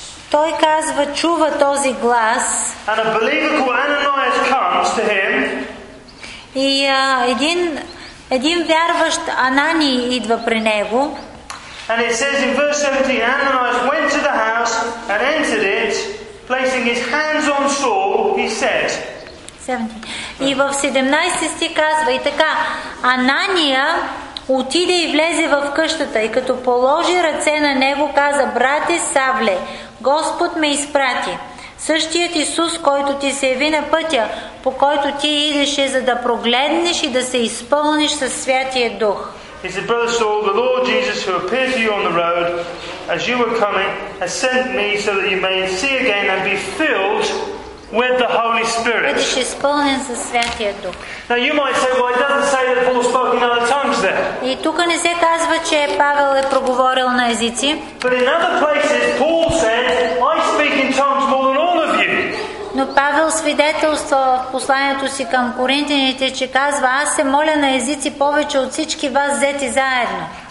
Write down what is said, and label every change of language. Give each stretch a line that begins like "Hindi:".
Bulgarian: Той казва, чува този глас.
English: And a believer called Ananias comes to him.
Bulgarian: И един вярващ Ананий идва при него.
English: And it says in verse 17, Ananias went to the house and entered it, placing his hands on Saul, he said.
Bulgarian: 17. И в 17 стих казва, и така, Анания отиде и влезе в къщата, и като положи ръце на него, каза, брате Савле, Господ ме изпрати. Същият Исус, който ти се яви на пътя, по който ти идеше, за да прогледнеш и да се изпълниш със Святия Дух.
English: He said, Brother Saul, the Lord Jesus who appeared to you on the road as you were coming has sent me so that you may see again and be filled with the Holy Spirit. Now you might say, well, it doesn't say that Paul spoke in other tongues there.
Bulgarian: И тук не се казва, че Павел е проговорил на езици.
English: But in other places, Paul said, I speak in tongues more than all of you.
Bulgarian: Но Павел свидетелства в посланието си към коринтяните, че казва, аз се моля на езици повече от всички вас взети заедно.